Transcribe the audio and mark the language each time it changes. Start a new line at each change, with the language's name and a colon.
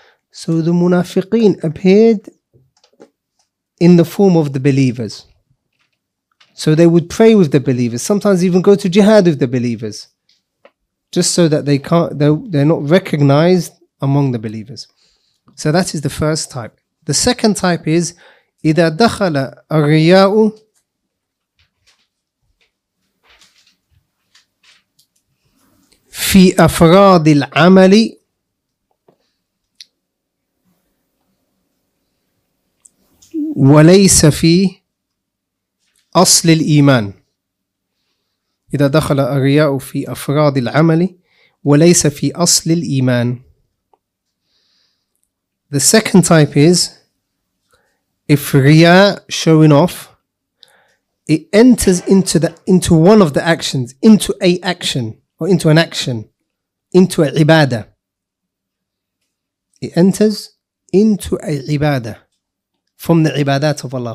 English: So the munafiqeen appeared in the form of the believers. So they would pray with the believers, sometimes even go to jihad with the believers, just so that they can't, they're not recognized among the believers. So that is the first type.
Arabic: The second type is إِذَا دَخَلَ الرِّيَاءُ فِي أَفْرَادِ الْعَمَلِ وَلَيْسَ فِي أصل الإيمان. إذا دخل الرياء في أفراد العمل وليس في أصل الإيمان.
English: The second type is if riya, showing off, it enters into the into one of the actions, into a action or into an action, into a ibadah. It enters into a ibadah from the ibadat of Allah.